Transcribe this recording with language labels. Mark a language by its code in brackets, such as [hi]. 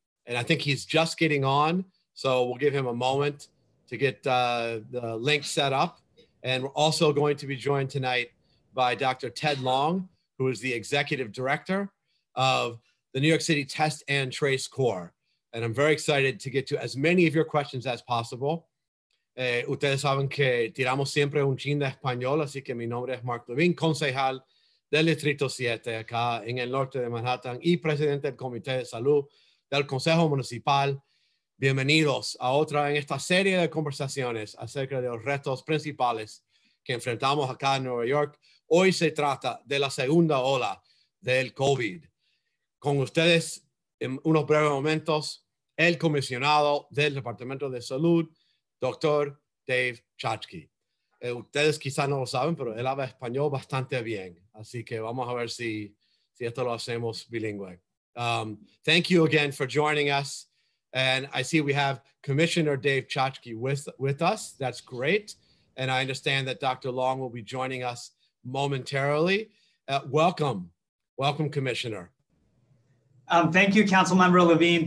[en] And I think he's just getting on, so we'll give him a moment to get the link set up. And we're also going to be joined tonight by Dr. Ted Long, who is the executive director of the New York City Test and Trace Corps. And I'm very excited to get to as many of your questions as possible. [es] Ustedes saben que tiramos siempre un chin de español, así que mi nombre es Mark Levin, concejal del Distrito 7 acá en el norte de Manhattan y presidente del Comité de Salud del Consejo Municipal. Bienvenidos a otra en esta serie de conversaciones acerca de los retos principales que enfrentamos acá en Nueva York. Hoy se trata de la segunda ola del COVID. Con ustedes, en unos breves momentos, el comisionado del Departamento de Salud, Dr. Dave Chokshi. Ustedes quizás no lo saben, pero él habla español bastante bien. Así que vamos a ver si esto lo hacemos bilingüe. [en] Thank you again for joining us. And I see we have Commissioner Dave Chokshi with us. That's great. And I understand that Dr. Long will be joining us momentarily. Welcome. Welcome, Commissioner. Thank you, Councilmember Levine.